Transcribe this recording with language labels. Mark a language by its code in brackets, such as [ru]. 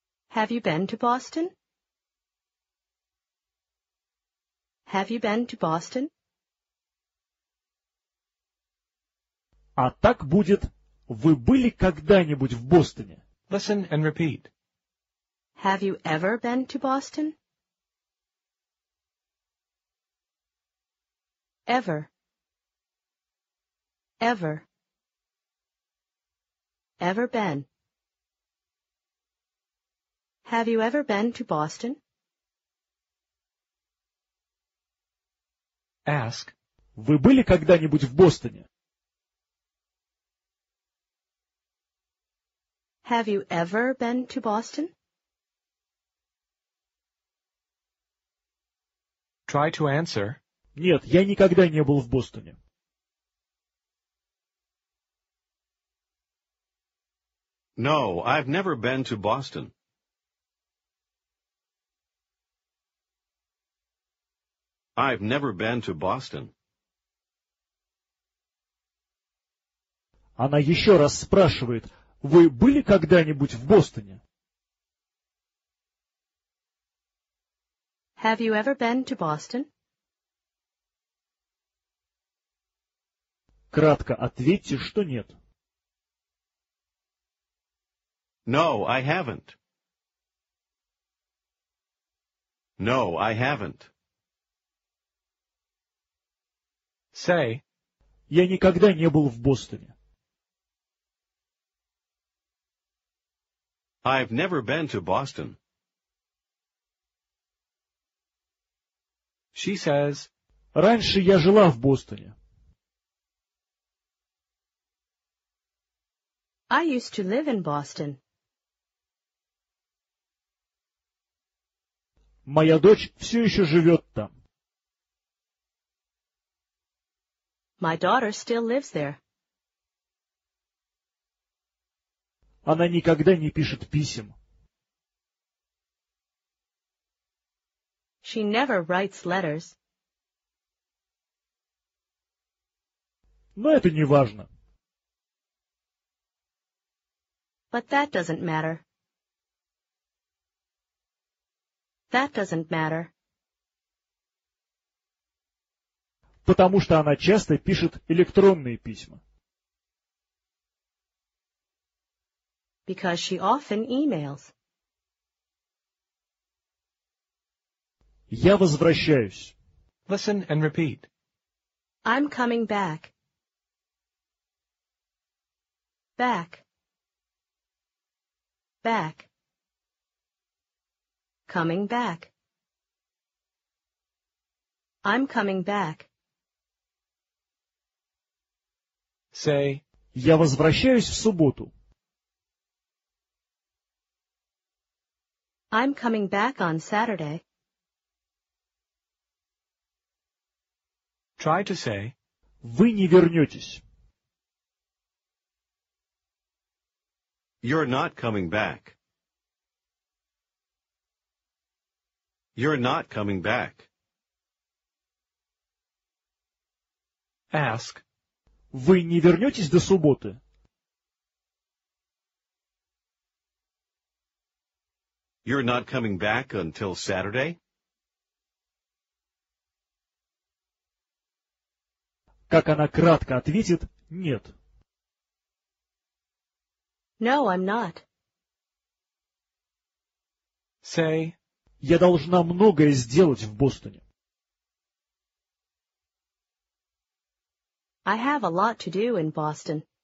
[en] Have you been to Boston? Have you been to Boston? [ru] А так будет, вы были когда-нибудь в Бостоне? [en] Listen and repeat. Have you ever been to Boston? Ever. Ever. Ever been. Have you ever been to Boston? Ask. [ru] Вы были когда-нибудь в Бостоне? [en] Have you ever been to Boston? Try to answer. [ru] Нет, я никогда не был в Бостоне. [en] No, I've never been to Boston. I've never been to Boston. [ru] Она еще раз спрашивает, вы были когда-нибудь в Бостоне? [en] Have you ever been to Boston? [ru] Кратко ответьте, что нет. [en] No, I haven't. No, I haven't. Say. [ru] Я никогда не был в Бостоне. [en] I've never been to Boston. She says, [ru] раньше я жила в Бостоне. [en] I used to live in Boston. [ru] Моя дочь все еще живет там. [en] My daughter still lives there. [ru] Она никогда не пишет писем. [en] She never writes letters. [ru] Но это не важно. [en] But that doesn't matter. That doesn't matter. [ru] Потому что она часто пишет электронные письма. [en] Because she often emails. [ru] Я возвращаюсь. [en] Listen and repeat. I'm coming back. Back. Back. Coming back. I'm coming back. Say. [ru] Я возвращаюсь в субботу. [en] I'm coming back on Saturday. Try to say. [ru] Вы не вернетесь. [en] You're not coming back. You're not coming back. Ask. [ru] Вы не вернетесь до субботы? [en] You're not coming back until Saturday? [ru] Как она кратко ответит, нет. [en] No, I'm not. Say. [ru] Я должна многое сделать в Бостоне. [en] I have a lot to do in Boston.